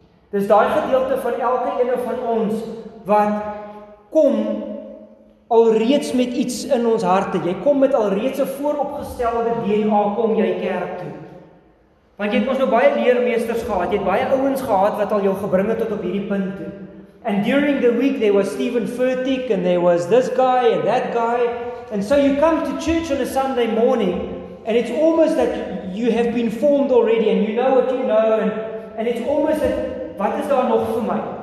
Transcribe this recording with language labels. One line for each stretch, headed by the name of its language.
Afrikaans: Dis daai gedeelte van elke ene van ons wat kom alreeds met iets in ons harte. Jy kom met alreeds 'n vooropgestelde DNA kom jy kerk toe. Want jy het ons nou baie leermeesters gehad. Jy het baie ouens gehad wat al jou gebring het tot op hierdie punt toe.
English: And during the week there was Stephen Furtick and there was this guy and that guy. And so you come to church on a Sunday morning and it's almost that you have been formed already and you know what you know and it's almost that
Afrikaans: wat is daar nog vir my?